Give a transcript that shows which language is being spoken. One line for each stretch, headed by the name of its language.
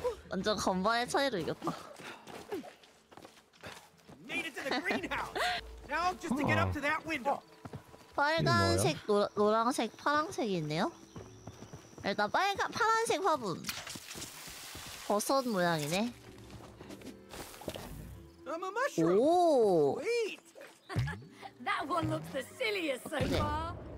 Korean: 완전 건반의 차이로 이겼다.
English: Made it to the greenhouse. Now just to get up to that window.
Korean: 빨간색, 노란색, 파란색이 있네요. 일단 빨간 파란색 화분. 버섯 모양이네. 오.
English: That one looks the silliest so far.